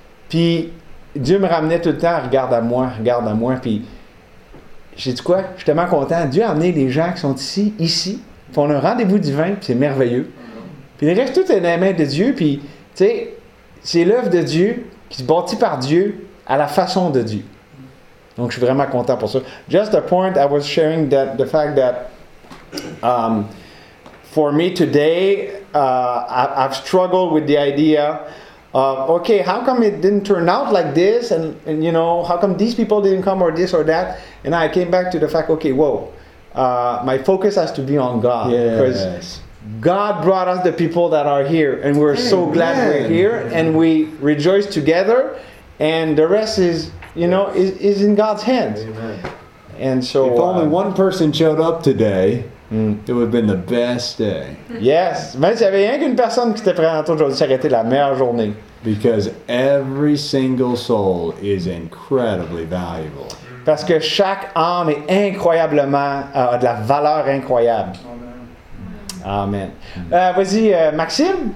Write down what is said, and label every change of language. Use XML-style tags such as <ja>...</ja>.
<fr>Puis Dieu me ramenait tout le temps, regarde à moi, puis... J'ai dit quoi? Je suis tellement content. Dieu a amené les gens qui sont ici, puis on a un rendez-vous divin, puis c'est merveilleux. Puis le reste, tout est dans les mains de Dieu, puis, tu sais, c'est l'œuvre de Dieu qui se bâtit par Dieu à la façon de Dieu. Donc, je suis vraiment content pour ça.</fr> <en>Just a point, I was sharing that the fact that for me today, I've struggled with the idea of, okay, how come it didn't turn out like this, and you know, how come these people didn't come, or this or that? And I came back to the fact, okay, whoa, my focus has to be on God. Yes. Because God brought us the people that are here, and we're so glad we're here, and we rejoice together, and the rest is, you know, is in God's hands. And so, if only one person showed up today, it would have been the best day. Yes.</en> <fr>Même s'il y avait rien qu'une personne qui était présente aujourd'hui, ça aurait été la meilleure journée.</fr> <en>Because every single soul is incredibly valuable.</en> <fr>Parce que chaque âme est incroyablement, a de la valeur incroyable.</fr> <en>Amen.</en> <fr>Amen. Vas-y, Maxime.</fr>